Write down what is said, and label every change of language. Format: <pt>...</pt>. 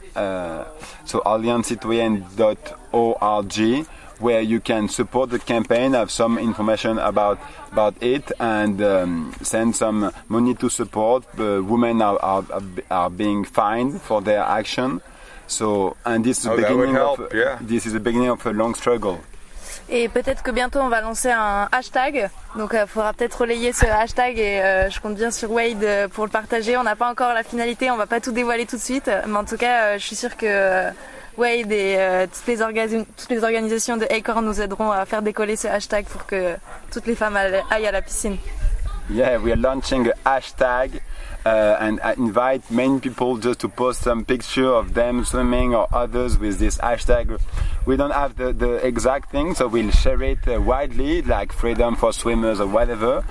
<en>So alliancecitoyenne.org, where you can support the campaign, have some information about it, and send some money to support. The women are being fined for their action. So, and this is the beginning of this is the beginning of a long struggle.</en> <fr>Et peut-être que bientôt on va lancer un hashtag. Donc il faudra peut-être relayer ce hashtag et je compte bien sur Wade pour le partager. On n'a pas encore la finalité, on va pas tout dévoiler tout de suite, mais en tout cas, je suis sûre que Wade et toutes les organisations de Acorn nous aideront à faire décoller ce hashtag pour que toutes les femmes aillent à la piscine.</fr> <en>Yeah, we are launching a hashtag. And I invite many people just to post some picture of them swimming or others with this hashtag. We don't have the exact thing, so we'll share it widely, like Freedom for Swimmers or whatever.</en>